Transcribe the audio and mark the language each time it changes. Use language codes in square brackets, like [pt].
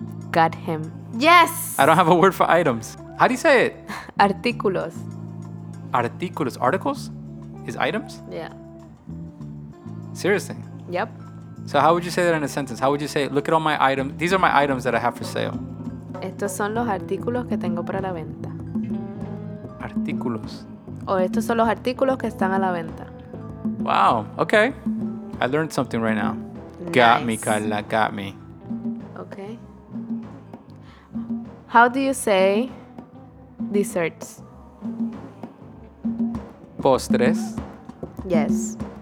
[en] Got him. Yes! I don't have a word for items. How do you say it? [es] Artículos. [en] Artículos. Articles? Is items? Yeah. Seriously? Yep. So how would you say that in a sentence? How would you say, look at all my items. These are my items that I have for sale. [es] Estos son los artículos que tengo para la venta. Artículos. O estos son los artículos que están a la venta. [en] Wow. Okay. I learned something right now. Nice. Got me, Carla. Got me. Okay. How do you say desserts? [es] Postres. [en] Yes.